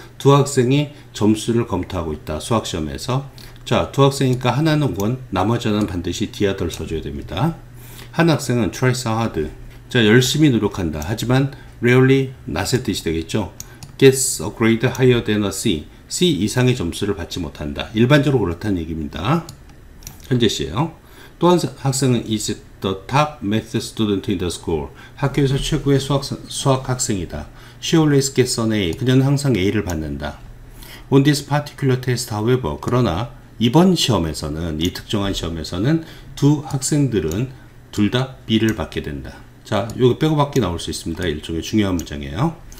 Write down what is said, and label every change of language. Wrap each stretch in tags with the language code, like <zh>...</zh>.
<ko>두 학생이 점수를 검토하고 있다. 수학시험에서. 자, 두 학생이니까 하나는 원 나머지 하나는 반드시</ko> <en>the other</en> <ko>써줘야 됩니다. 한 학생은</ko> <en>tries hard.</en> <ko>자, 열심히 노력한다. 하지만 rarely, not의 뜻이 되겠죠.</ko> <en>gets a grade higher than a C.</en> <ko>C 이상의 점수를 받지 못한다. 일반적으로 그렇다는 얘기입니다. 현재 씨예요. 또 한 학생은</ko> <en>is the top math student in the school.</en> <ko>학교에서 최고의 수학학생이다.</ko> <en>She always gets an A.</en> <ko>그녀는 항상 A를 받는다.</ko> <en>On this particular test, however,</en> <ko>그러나 이번 시험에서는, 이 특정한 시험에서는 두 학생들은 둘 다 B를 받게 된다. 자, 여기 빼고받기 나올 수 있습니다. 일종의 중요한 문장이에요.</ko>